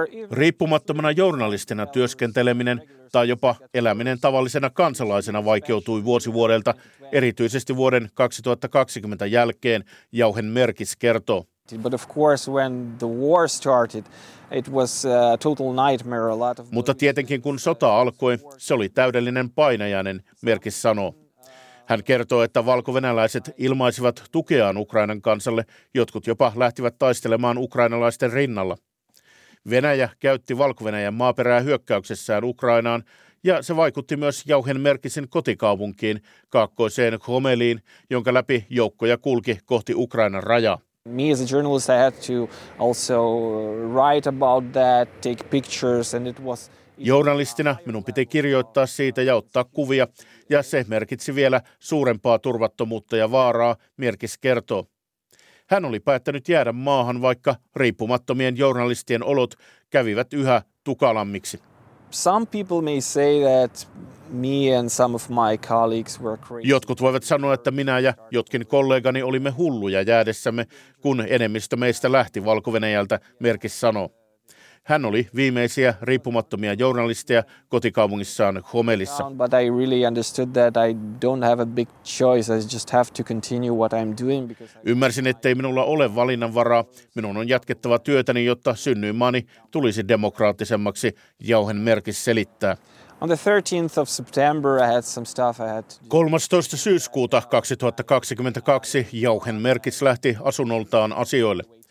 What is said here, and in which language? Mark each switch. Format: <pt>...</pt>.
<fi>Riippumattomana journalistina työskenteleminen tai jopa eläminen tavallisena kansalaisena vaikeutui vuosi vuodelta, erityisesti vuoden 2020 jälkeen, Jauhen merkis kertoo.</fi> <en>But of course when the war started it was a total nightmare, a lot of.</en> <fi>Mutta tietenkin kun sota alkoi, se oli täydellinen painajainen, merkis sanoo. Hän kertoo, että valkovenäläiset ilmaisivat tukeaan Ukrainan kansalle, jotkut jopa lähtivät taistelemaan ukrainalaisten rinnalla. Venäjä käytti Valko-Venäjän maaperää hyökkäyksessään Ukrainaan, ja se vaikutti myös Jauhen merkisen kotikaupunkiin, kaakkoiseen Homeliin, jonka läpi joukkoja kulki kohti Ukrainan rajaa.</fi> <en>Me as a journalist I had to also write about that, take pictures, and it was.</en> <fi>Journalistina minun piti kirjoittaa siitä ja ottaa kuvia, ja se merkitsi vielä suurempaa turvattomuutta ja vaaraa, merkis kertoo. Hän oli päättänyt jäädä maahan, vaikka riippumattomien journalistien olot kävivät yhä tukalammiksi.</fi> <en>Some people may say that me and some of my colleagues were crazy.</en> <fi>Jotkut voivat sanoa, että minä ja jotkin kollegani olimme hulluja jäädessämme, kun enemmistö meistä lähti Valko-Venäjältä, merkis sanoo. Hän oli viimeisiä riippumattomia journalisteja kotikaupungissaan Homelissa.</fi> <en>But I really understood that I don't have a big choice. I just have to continue what I'm doing because.</en> <fi>Ymmärsin, ettei minulla ole valinnanvaraa. Minun on jatkettava työtäni, jotta synnyinmaani tulisi demokraattisemmaksi, Jauhen merkis selittää.</fi> <en>On the 13th of September I had some stuff I had to.</en> <fi>13. syyskuuta 2022 Jauhen merkis lähti asunnoltaan asioille.</fi>